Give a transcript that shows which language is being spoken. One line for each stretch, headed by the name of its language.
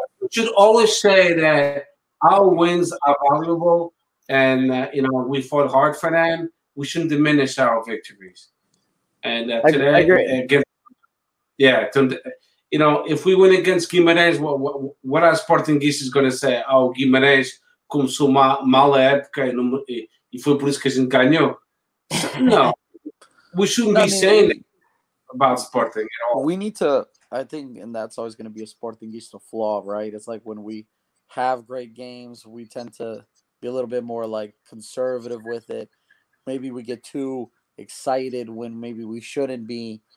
English: We should always say that our wins are valuable, and, we fought hard for them. We shouldn't diminish our victories. And if we win against Guimarães, what are Sportingistas going to say?
Portuguese: Oh, Guimarães começou mal a época e foi por isso que a gente ganhou.
English: No, we shouldn't be saying about Sporting at all. We need to, I think, and that's always going to be a Sportingista flaw, right? It's like when we have great games, we tend to be a little bit more like conservative with it. Maybe we get too excited when maybe we shouldn't be.